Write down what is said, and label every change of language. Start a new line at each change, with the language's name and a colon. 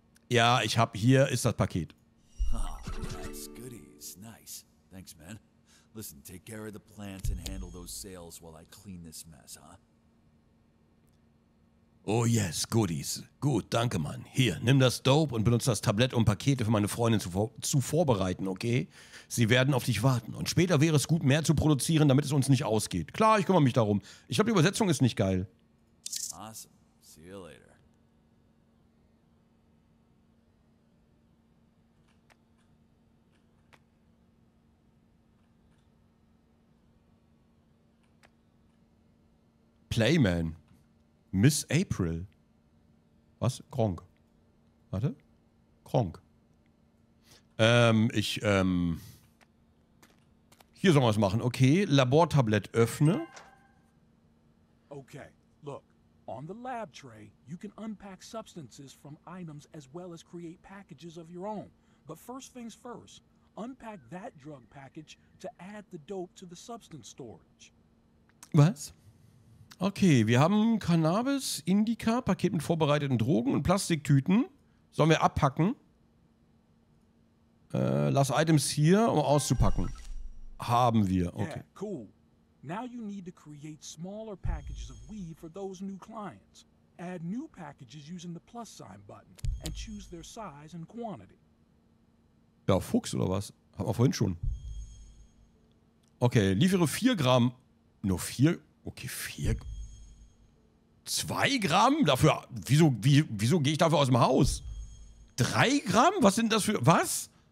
German: Ja, ich hab hier ist das Paket.
English: Oh, that's goodies. Nice. Thanks, man. Listen, take care of the plants and handle those sales while I clean this mess, huh? Oh yes, goodies.
German: Gut, danke, Mann. Hier, nimm das Dope und benutze das Tablett, um Pakete für meine Freundin zu vorbereiten, okay? Sie werden auf dich warten. Und später wäre es gut, mehr zu produzieren, damit es uns nicht ausgeht. Klar, ich kümmere mich darum. Ich glaube, die Übersetzung ist nicht geil.
English: Awesome. See you later.
German: Playman. Miss April. Was? Kronk. Warte. Kronk. Hier sollen wir es machen. Okay, Labortablett öffne.
English: Okay, look. On the lab tray, you can unpack substances from items as well as create packages of your own. But first things first, unpack that drug package to add the dope to the substance storage.
German: Was? Okay, wir haben Cannabis, Indica, Paket mit vorbereiteten Drogen und Plastiktüten. Sollen wir abpacken? Lass Items hier, um auszupacken. Haben wir, okay.
English: Yeah, cool. Now you need to create smaller packages of weed for those new clients. Add new packages using the plus sign button and choose their size and quantity.
German: Ja, Fuchs oder was? Haben wir vorhin schon. Okay, liefere 4 Gramm. Nur 4? Okay, 4. 2 Gramm? Dafür. Wieso gehe ich dafür aus dem Haus? 3 Gramm? Was sind das für. Was?